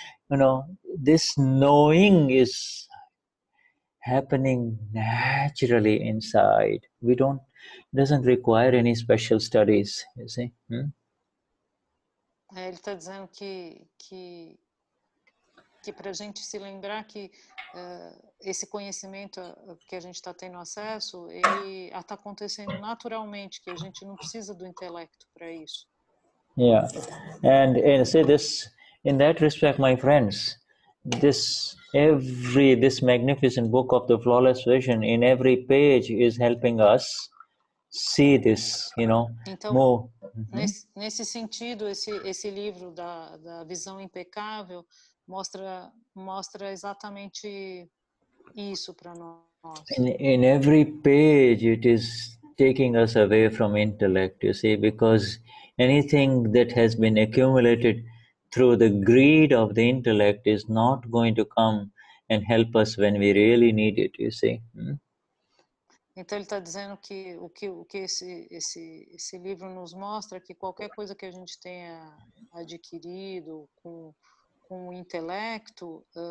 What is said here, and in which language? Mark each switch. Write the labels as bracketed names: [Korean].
[English] You know, this knowing is happening naturally inside. We don't, it doesn't require any special studies, you see. [Portuguese] Ele está dizendo que para a gente se lembrar que esse conhecimento que a gente está tendo acesso, ele está acontecendo naturalmente, que a gente não precisa do intelecto para isso. [English] Yeah, and say this. In that respect, my friends, this magnificent book of the Flawless Vision, in every page is helping us see this, you know. [Portuguese] Então, [English] more. [Portuguese] Nesse sentido, esse livro da Visão Impecável mostra exatamente isso para nós. [English] In every page, it is taking us away from intellect, you see, because anything that has been accumulated through the greed of the intellect is not going to come and help us when we really need it, you see. [Portuguese] Então ele está dizendo que o que esse livro nos mostra é que qualquer coisa que a gente tenha adquirido com o intelecto,